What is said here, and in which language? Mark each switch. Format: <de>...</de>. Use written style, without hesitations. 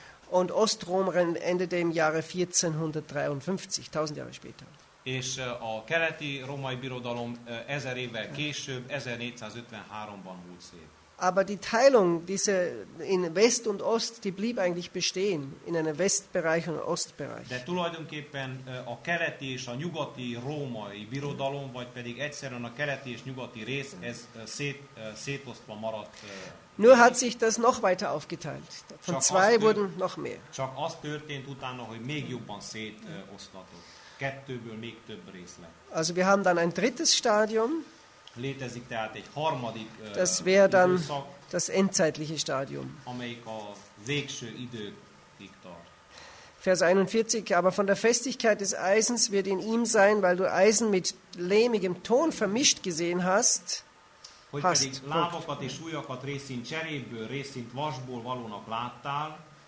<de>Und Ostrom endete im Jahre 1453, 1000 Jahre später.</de> <hu>És a keleti római birodalom 1000 évvel később, 1453-ban múlt szét.</hu> <de>Aber die Teilung diese in West und Ost, die blieb eigentlich bestehen, in einem Westbereich und einem Ostbereich.</de> <hu>De tulajdonképpen a keleti és a nyugati római birodalom, vagy pedig egyszerűen a keleti és nyugati rész, ez szétosztva maradt.</hu> <de>Nur hat sich das noch weiter aufgeteilt. Von zwei wurden noch mehr.</de> <hu>Csak az történt utána, hogy még jobban szétosztatott. Kettőből még több rész lett.</hu> <de>Also wir haben dann ein drittes Stadium.</de> <hu>Létezik tehát egy harmadik</hu> <de>das wäre dann</de> <hu>időszak,</hu> <de>das endzeitliche Stadium.</de> <hu>Amelyik a végső időkig tart.</hu> <de>Vers 41, aber von der Festigkeit des Eisens wird in ihm sein, weil du Eisen mit lehmigem Ton vermischt gesehen hast.</de> <hu>Hogy</hu> <de>hast,</de> <hu>pedig lábakat és ujjakat részint cserépből, részint vasból valónak láttál.</hu>